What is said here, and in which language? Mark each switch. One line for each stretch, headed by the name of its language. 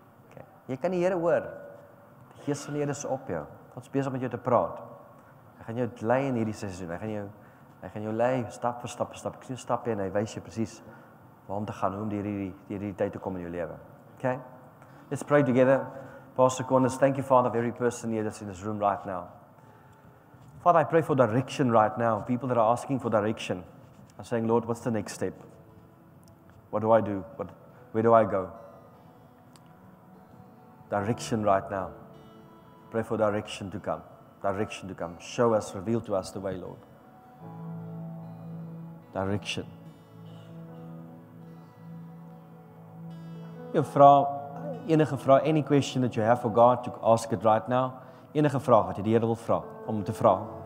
Afrikaans: Okay. Jy kan die Here hoor. Die gees van die Here is op jou. God is besig om met jou te praat. Hy gaan jou lei in hierdie seisoen. Hy gaan jou lei stap vir stap vir stap. Ek sien stappe en hy wys jou presies waar om te gaan, hoe om hierdie tyd te kom in jou lewe.
English: Okay? Let's pray together. Pastor Cornus, thank you Father for every person here that's in this room right now. Father, I pray for direction right now. People that are asking for direction. I'm saying, Lord, what's the next step? What do I do? Where do I go? Direction right now. Pray for direction to come. Direction to come. Show us, reveal to us the way, Lord. Direction.
Afrikaans: Jou vraag, enige vraag,
English: any question that you have for God, to ask it right now.
Afrikaans: Enige vraag wat jy die Here wil vra, om te vra.